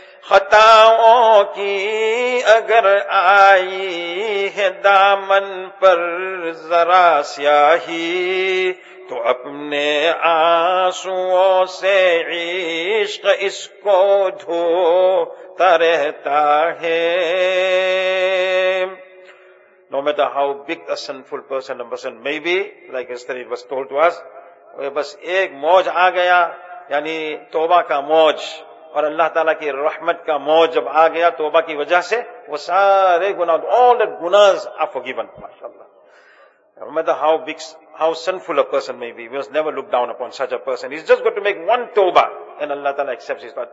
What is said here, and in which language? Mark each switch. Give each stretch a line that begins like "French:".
Urdu: خطاؤں کی اگر آئی ہے دامن پر ذرا سیاہی, تو اپنے آنسوؤں سے عشق اس کو دھوتا رہتا ہے.
English: No matter how big a sinful person a person may be, like yesterday it was told to us,
Urdu: بس ایک موج آ گیا, یعنی توبہ کا موج اور اللہ تعالیٰ کی رحمت کا موج جب آ گیا توبہ کی وجہ سے, وہ سارے گناہ,
English: all the gunas are forgiven, mashallah. No matter how big, how sinful a person may be, we must never look down upon such a person. He's just got to make one tauba and Allah تعالیٰ accepts his tauba.